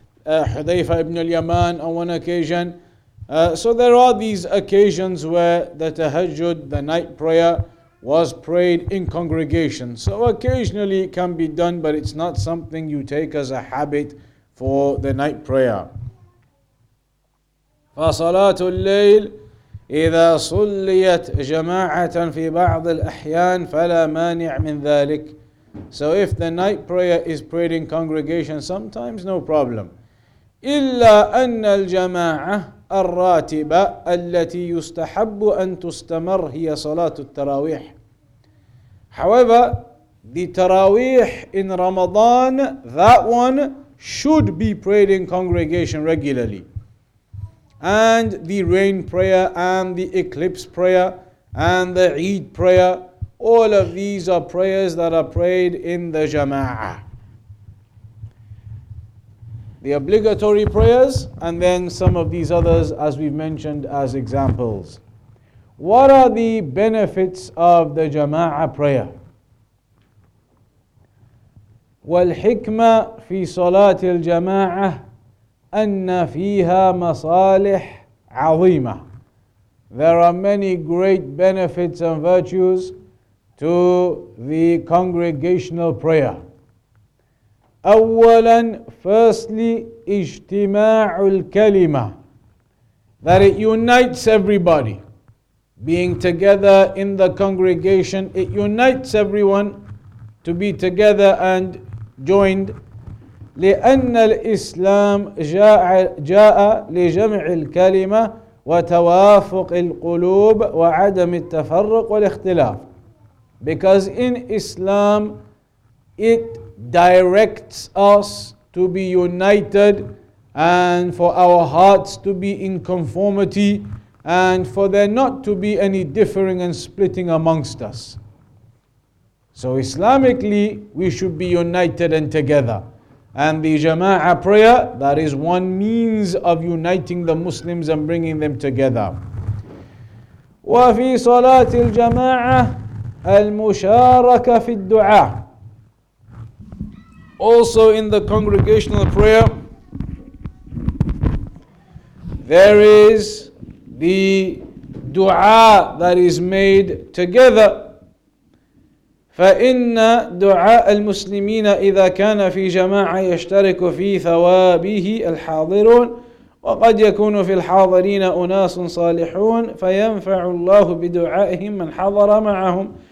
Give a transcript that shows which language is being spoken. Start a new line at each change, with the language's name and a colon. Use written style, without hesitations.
English: Hudhayfa ibn al-Yaman on one occasion. So there are these occasions where the tahajjud, the night prayer, was prayed in congregation. So occasionally it can be done, but it's not something you take as a habit for the night prayer.
Arabic: فصلاة الليل إذا صليت جماعة في بعض الأحيان فلا مانع من ذلك.
English: So if the night prayer is prayed in congregation, sometimes no problem.
Arabic: إلا أن الجماعة, الراتبة التي يستحب أن تستمر هي صلاة التراويح.
English: However, the تراويح in Ramadan, that one should be prayed in congregation regularly. And the rain prayer and the eclipse prayer and the Eid prayer, all of these are prayers that are prayed in the Jama'ah. The obligatory prayers, and then some of these others as we've mentioned as examples. What are the benefits of the Jama'ah prayer?
Arabic: وَالْحِكْمَةَ فِي صَلَاةِ الْجَمَاعَةِ أَنَّ فِيهَا مَصَالِحٌ عَظِيمَةٌ.
English: There are many great benefits and virtues to the congregational prayer.
Arabic: أولاً, firstly, اجتماع الكلمة.
English: That it unites everybody. Being together in the congregation, it unites everyone to be together and joined.
Arabic: لِأَنَّ الْإِسْلَامِ جَاءَ لِجَمْعِ الْكَلِمَةِ وَتَوَافُقِ الْقُلُوبِ وَعَدَمِ التَّفَرُّقِ وَالْإِخْتِلَافِ.
English: Because in Islam, it directs us to be united and for our hearts to be in conformity and for there not to be any differing and splitting amongst us. So Islamically, we should be united and together. And the Jama'ah prayer, that is one means of uniting the Muslims and bringing them together.
Arabic: وَفِي صَلَاةِ الْجَمَاعَةِ المشاركة في الدعاء.
English: Also in the congregational prayer, there is the dua that is made together.
Arabic: فإن دعاء المسلمين إذا كان في جماعة يشترك في ثوابه الحاضرون وقد يكون في الحاضرين أناس صالحون فينفع الله بدعائهم من حضر معهم.